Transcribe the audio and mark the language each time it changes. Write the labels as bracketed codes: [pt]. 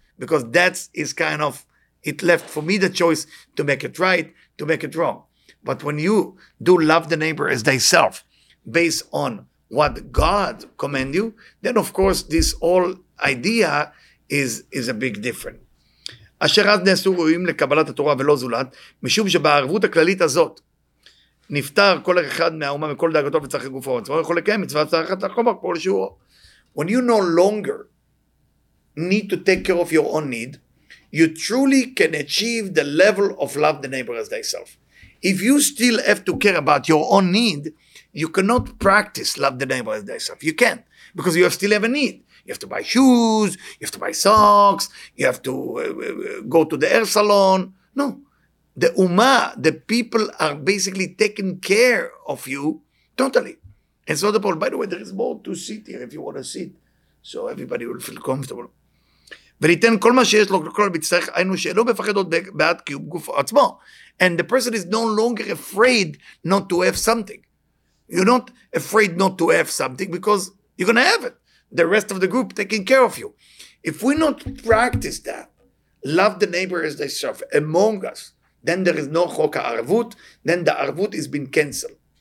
[en] Because that is kind of, it left for me the choice to make it right, to make it wrong. But when you do love the neighbor as thyself based on what God command you, then of course this whole idea is a big difference. [he] אשר אז נעשו ראויים לקבלת התורה ולא זולת, משום שבערבות הכללית הזאת נפטר כל אחד מהאומה מכל דאגתו וצריך גופו עצמו, יכול לקיים מצוות צריכת החומר כמו לשיעור. [en] When you no longer need to take care of your own need, you truly can achieve the level of love the neighbor as thyself. If you still have to care about your own need, you cannot practice love the neighbor as thyself. You can't, because you still have a need. You have to buy shoes, you have to buy socks, you have to go to the hair salon. No, the ummah, the people are basically taking care of you totally. And so the problem, by the way, there is more to sit here if you want to sit, so everybody will feel comfortable. [he] וניתן כל מה שיש לו, כל המצטרך, היינו שאינו מפחד עוד בעד קיום גוף עצמו. [en] And the person is no longer afraid not to have something. You're not afraid not to have something because you're going to have it. The rest of the group taking care of you. If we not practice that, love the neighbor as they serve among us, then there is no chok ha'arvut, then the arvut has been canceled.